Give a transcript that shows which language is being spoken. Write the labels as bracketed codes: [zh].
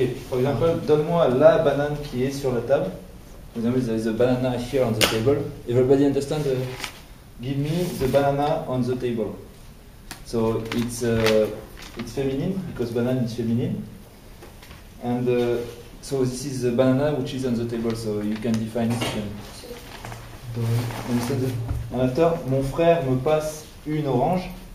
[fr] Par exemple, donne-moi la banane qui est sur la table. Par exemple, [en] there is a banana here on the table. Everybody understand? Give me the banana on the table. So it's feminine because banana is feminine. And so this is the banana which is on the table. So you can define it. Understand? [fr] En after, mon frère me passe une orange.